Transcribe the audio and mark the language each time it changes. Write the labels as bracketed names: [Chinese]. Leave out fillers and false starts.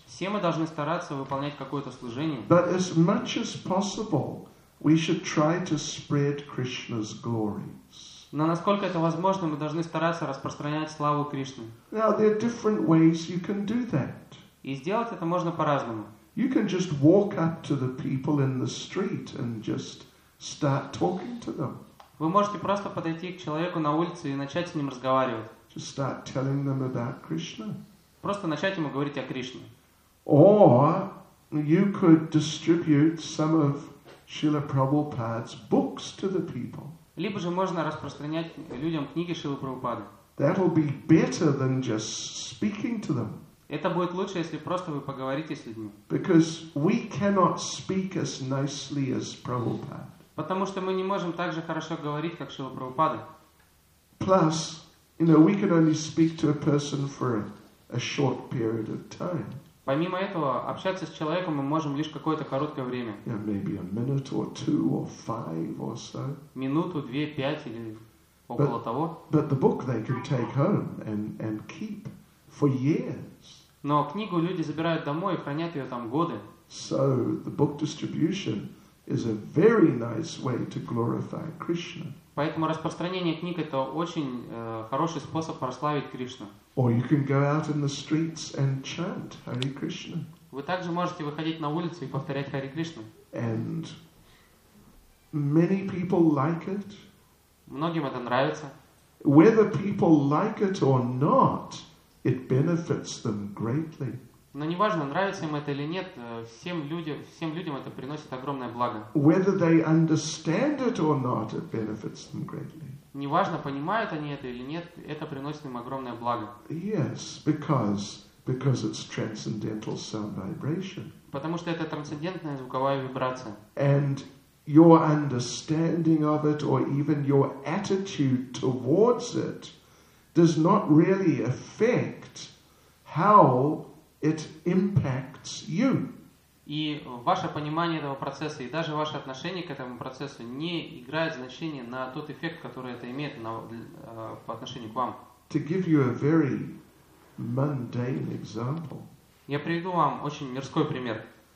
[Russian] Все мы должны стараться выполнять какое-то служение. [English] But as much as possible, we should try to spread Krishna's glories. [Russian] Но насколько это возможно, мы должны стараться распространять славу Кришны. [English] Now there are different ways you can do that. [Russian] И сделать это можно по-разному. [English] You can just walk up to the people in the street and just start talking to them. [Russian] Вы можете просто подойти к человеку на улице и начать с ним разговаривать. [English] Just start telling them about Krishna. [Russian] Просто начать ему говорить о Кришне. [English] Or you could distribute some of Srila Prabhupada's books to the people. [Russian] Либо же можно распространять людям книги Шрилы Прабхупады. [English] That'll be better than just speaking to them. [Russian] Это будет лучше, если просто вы поговорите с людьми. [English] Because we cannot speak as nicely as Prabhupada. [Russian] Потому что мы не можем так же хорошо говорить, как Шрила Прабхупада. [English] Plus, you know, we can only speak to a person for a short period of time. [Russian] Помимо этого, общаться с человеком мы можем лишь какое-то короткое время. [English] Yeah, maybe a minute or two or five or so. [Russian] Минуту, две, пять или около того. [English] But the book they can take home and keep for years. [Russian] Но книгу люди забирают домой и хранят ее там годы. [English] So the book distribution is a very nice way to glorify Krishna. [Russian] Поэтому распространение книг это очень хороший способ прославить Кришну. [English] Or you can go out in the streets and chant Hare Krishna. [Russian] Вы также можете выходить на улицу и повторять Hare Krishna. [English] And many people like it. [Russian] Многим это нравится. [English] Whether people like it or not, it benefits them greatly. [Russian] Но неважно, нравится им это или нет, всем людям это приносит огромное благо. [English] Whether they understand it or not, it benefits them greatly. [Russian] Неважно, понимают они это или нет, это приносит им огромное благо. [English] Yes, because it's transcendental sound vibration. [Russian] Потому что это трансцендентная звуковая вибрация. [English] And your understanding of it, or even your attitude towards it, does not really affect how it impacts you. [Russian] И ваше понимание этого процесса и даже ваше отношение к этому процессу не играет значения на тот эффект, который это имеет по отношению к вам. [English] To give you a very mundane example. [Russian] Я приведу вам очень мирской пример.